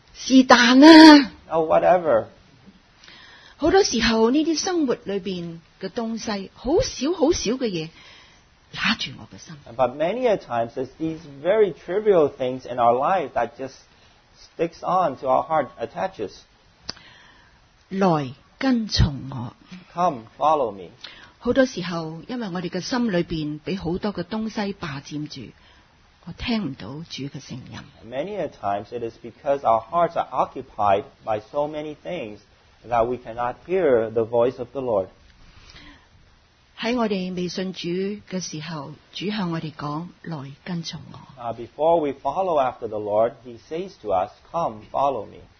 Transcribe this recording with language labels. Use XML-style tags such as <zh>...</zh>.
<yue>是但啦。</yue> <en>Oh whatever。</en> <yue>好多时候呢啲生活里边嘅东西，好少好少嘅嘢，拉住我嘅心。</yue> <en>But many a times it's these very trivial things in our life that juststicks on to our heart, attaches.</en> <yue>来跟从我。</yue> <en>Come, follow me.</en> <yue>好多时候，因为我哋嘅心里边被好多嘅东西霸占住，我听唔到主嘅声音。</yue> <en>Many a times it is because our hearts are occupied by so many things that we cannot hear the voice of the Lord.</en> <yue>喺我哋未信主嘅时候，主向我哋讲：来跟从我。</yue> <en>Before we follow after the Lord, He says to us, "Come, follow me."</en>